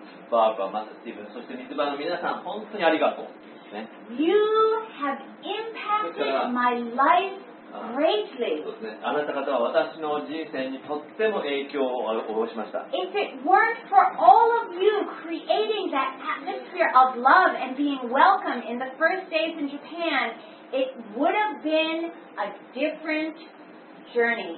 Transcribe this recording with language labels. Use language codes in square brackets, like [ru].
[ja] Barbara, Martha, Stephen そして Mizuba の皆さん本当にありがとう、ね、 [en] You have impacted my life greatly. [ja] あなた方は私の人生にとっても影響を及ぼしました。 [en] If it weren't for all of you creating that atmosphere of love and being welcome in the first days in Japan, it would have been a different journey.